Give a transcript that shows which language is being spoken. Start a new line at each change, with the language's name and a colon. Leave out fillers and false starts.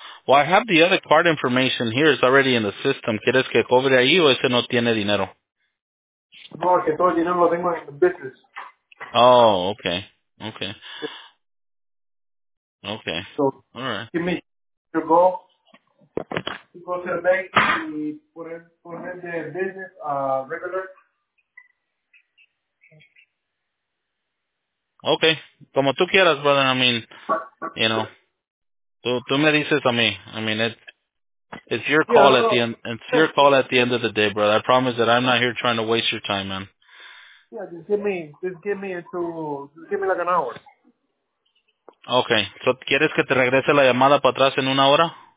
English: Well, I have the other card information here. It's already in the system.
Spanish: ¿Quieres que cobre ahí o ese no tiene dinero? No, que todo el dinero lo tengo en business.
English: Oh, okay. Okay. Okay. So, all right. Give me your goal. You go to the bank and put in the business regular.
Spanish: Okay, como tú quieras, brother.
English: I mean, you know,
Spanish: tú me dices a mí.
English: I mean, it's your call at the end. It's your call at the end of the day, brother. I promise that I'm not here trying to waste your time, man. Yeah, just give me like an hour. Okay, so
Spanish: ¿quieres que te regrese la llamada para atrás en una hora?